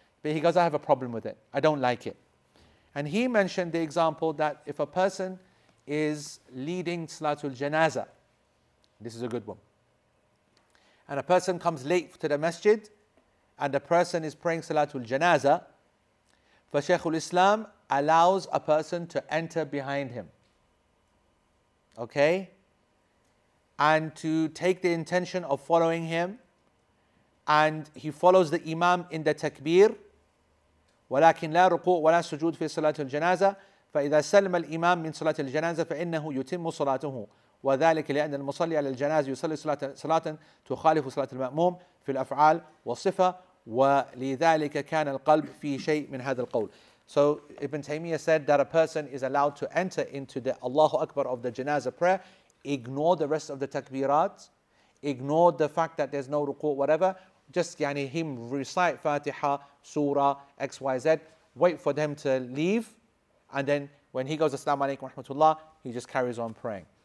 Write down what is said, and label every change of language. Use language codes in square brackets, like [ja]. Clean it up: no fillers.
[en] But he goes, I have a problem with it. I don't like it. And he mentioned the example that if a person is leading Salatul Janazah, this is a good one, and a person comes late to the masjid, and the person is praying Salatul Janazah, for Shaykh al-Islam allows a person to enter behind him. Okay? And to take the intention of following him, and he follows the imam in the takbir. [ar] وَلَكِنْ لَا رُقُوءٍ وَلَا سُجُودٍ فِي صَلَاتِ الْجَنَازَةِ فَإِذَا سَلَّمَ الْإِمَامُ مِنْ صَلَاتِ الْجَنَازَةِ فَإِنَّهُ يُتِمُّ صَلَاتُهُ وذلك لأن المصلي على الجنازة يصلي صلاة تخالف صلاة المأموم في الأفعال والصفة ولذلك كان القلب في شيء من هذا القول. [en] So Ibn Taymiyyah said that a person is allowed to enter into the Allahu Akbar of the Janazah prayer, ignore the rest of the takbirat, ignore the fact that there's no ruku' whatever, just him recite Fatiha, Surah, XYZ, wait for them to leave, and then when he goes Assalamu alaikum wa rahmatullah, he just carries on praying.